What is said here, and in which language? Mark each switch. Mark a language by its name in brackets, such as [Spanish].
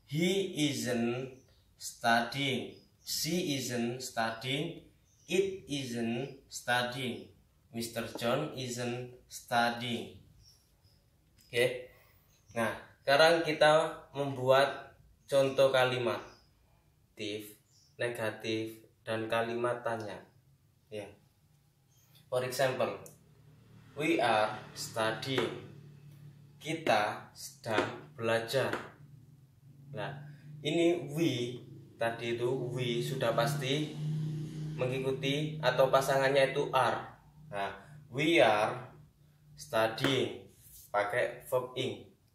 [English] He isn't studying, she isn't studying, it isn't studying, Mr. John isn't studying. [Indonesian] Nah, sekarang kita membuat contoh kalimat positif, negatif, dan kalimat tanya. [English] For example, we are studying. [Indonesian] Kita sedang belajar. Nah, ini we tadi itu we sudah pasti mengikuti atau pasangannya itu are. Nah, [English] we are studying. [Indonesian] Pakai verb ing.